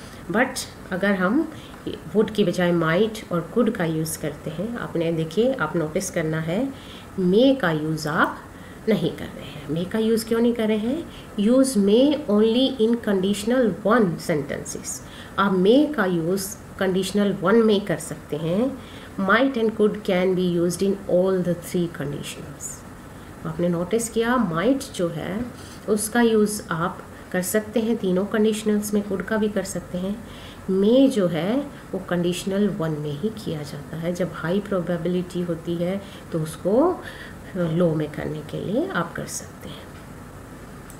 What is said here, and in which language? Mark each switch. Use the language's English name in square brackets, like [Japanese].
[Hindi] But अगर हम would की बजाय माइट और कुड का यूज़ करते हैं, आपने देखिए आप नोटिस करना है मे का यूज़ आप नहीं कर रहे हैं. मे का यूज़ क्यों नहीं कर रहे हैं, [English] use may only in conditional one sentences, [Hindi] आप मे का यूज़ कंडीशनल वन में कर सकते हैं. [English] Might and could can be used in all the three conditionals. [Hindi] आपने notice किया might जो है उसका use आप कर सकते हैं तीनों conditionals में, could का भी कर सकते हैं. May जो है वो conditional one में ही किया जाता है, जब high probability होती है तो उसको low में करने के लिए आप कर सकते हैं.